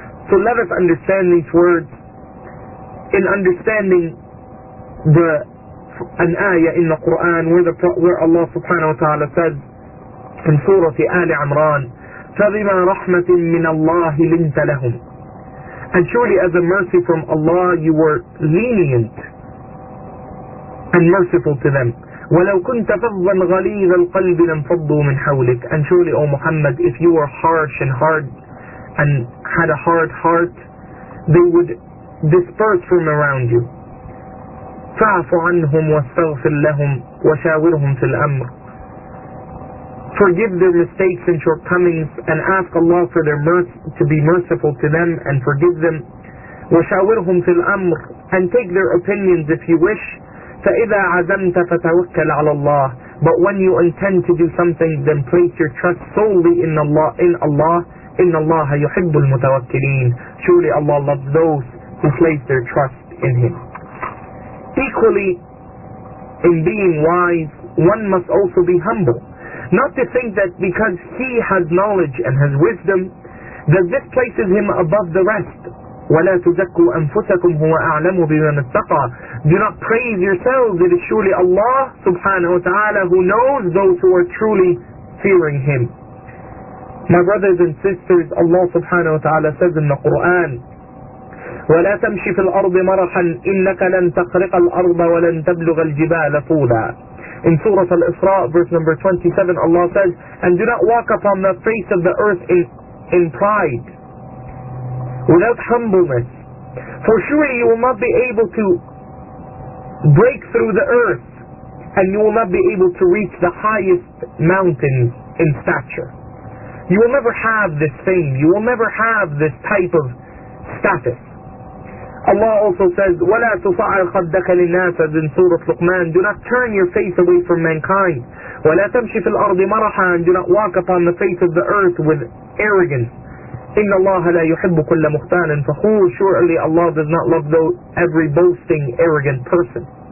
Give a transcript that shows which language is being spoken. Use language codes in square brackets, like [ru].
[en] So let us understand these words in understanding an ayah in the Quran where Allah subhanahu wa ta'ala says in Surah Ali Imran, [ar] فَبِمَا رَحْمَةٍ مِّنَ اللَّهِ لِنْتَ لَهُمْ. [en] And surely as a mercy from Allah, you were lenient and merciful to them. [ar] ولو كنت فظا غليظ القلب لانفضوا من حولك. [en] And surely, O Muhammad, if you were harsh and hard and had a hard heart, they would disperse from around you. [ar] فاعف عنهم واستغفر لهم وشاورهم في الأمر. [en] Forgive their mistakes and shortcomings and ask Allah for their mercy, to be merciful to them and forgive them. [ar] وشاورهم في الأمر, [en] and take their opinions if you wish. [ar] فَإِذَا عَزَمْتَ فَتَوَكَّلْ عَلَى اللَّهِ. [en] But when you intend to do something, then place your trust solely in Allah. [ar] إِنَّ اللَّهَ يُحِبُّ الْمُتَوَكِّلِينَ. [en] Surely Allah loves those who place their trust in Him. Equally, in being wise, one must also be humble. Not to think that because he has knowledge and has wisdom, that this places him above the rest. [ar] وَلَا تُزَكُّوا أَنفُسَكُمْ هُوَ أَعْلَمُ بِمَنِ اتَّقَى. [en] Do not praise yourselves, it is surely Allah subhanahu wa ta'ala who knows those who are truly fearing Him. My brothers and sisters, Allah subhanahu wa ta'ala says in the Qur'an, [ar] وَلَا تَمْشِ فِي الْأَرْضِ مَرَحًا إِنَّكَ لَن تَقْرِقَ الْأَرْضَ وَلَن تَبْلُغَ الْجِبَالَ طُولًا. [en] In Surah Al-Isra, verse number 27, Allah says, and do not walk upon the face of the earth in pride, without humbleness. For surely you will not be able to break through the earth, and you will not be able to reach the highest mountains in stature. You will never have this fame, you will never have this type of status. Allah also says, [ar] وَلَا تُصَعَرْ خَدَّكَ لِلنَّاسَ. [en] In Surah Luqman, do not turn your face away from mankind. [ar] وَلَا تَمْشِ فِي الْأَرْضِ مَرَحًا. [en] Do not walk upon the face of the earth with arrogance. [ar] إِنَّ اللَّهَ لَا يُحِبُّ كُلَّ مُخْتَانٍ فَخُورٍ. [en] Surely Allah does not love every boasting, arrogant person.